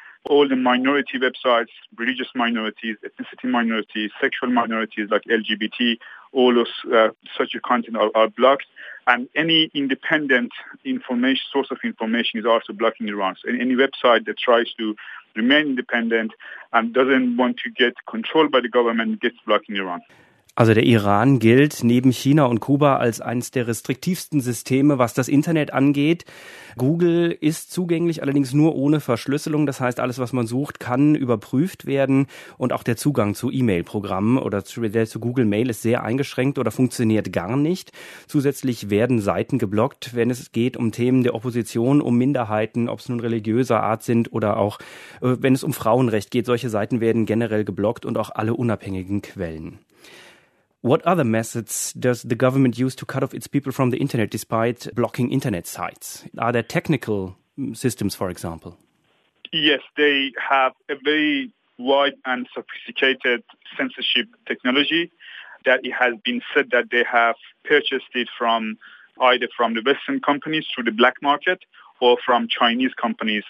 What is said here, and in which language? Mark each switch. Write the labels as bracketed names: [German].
[English] All the minority websites, religious minorities, ethnicity minorities, sexual minorities like LGBT, all those such a content are blocked. And any independent information source of information is also blocked in Iran. So any website that tries to remain independent and doesn't want to get controlled by the government gets blocked in Iran. [German] Also der Iran gilt neben China und Kuba als eines der restriktivsten Systeme, was das Internet angeht. Google ist zugänglich, allerdings nur ohne Verschlüsselung. Das heißt, alles, was man sucht, kann überprüft werden. Und auch der Zugang zu E-Mail-Programmen oder zu Google Mail ist sehr eingeschränkt oder funktioniert gar nicht. Zusätzlich werden Seiten geblockt, wenn es geht um Themen der Opposition, um Minderheiten, ob es nun religiöser Art sind oder auch, wenn es um Frauenrecht geht. Solche Seiten werden generell geblockt und auch alle unabhängigen Quellen. [English] What other methods does the government use to cut off its people from the internet despite blocking internet sites? Are there technical systems, for example? Yes, they have a very wide and sophisticated censorship technology that it has been said that they have purchased it from either from the Western companies through the black market or from Chinese companies.